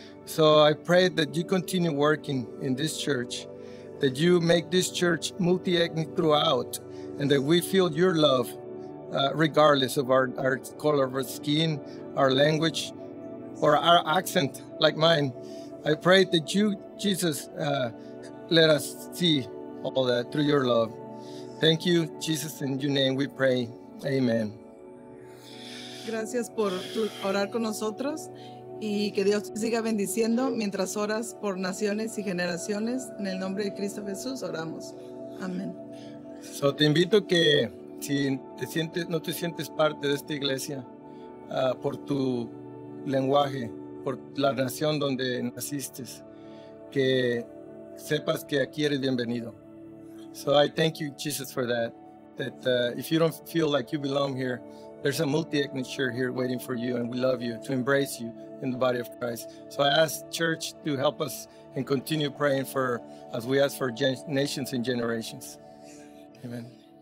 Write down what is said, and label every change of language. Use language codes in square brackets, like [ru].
[en] So I pray that you continue working in this church, that you make this church multi-ethnic throughout, and that we feel your love, regardless of our color of our skin, our language, or our accent, like mine. I pray that you, Jesus, let us see all that through your love. Thank you, Jesus, in your name we pray. Amen. [es] Gracias por orar con nosotros, y que Dios te siga bendiciendo mientras oras por naciones y generaciones. En el nombre de Cristo Jesús oramos. Amén. So te invito que si te sientes, no te sientes parte de esta iglesia, por tu lenguaje, por la nación donde naciste, que sepas que aquí eres bienvenido. [en] So I thank you, Jesus, for that. That if you don't feel like you belong here, there's a multi-ethnic church here waiting for you, and we love you to embrace you in the body of Christ. So I ask church to help us and continue praying for, as we ask for nations and generations. Amen.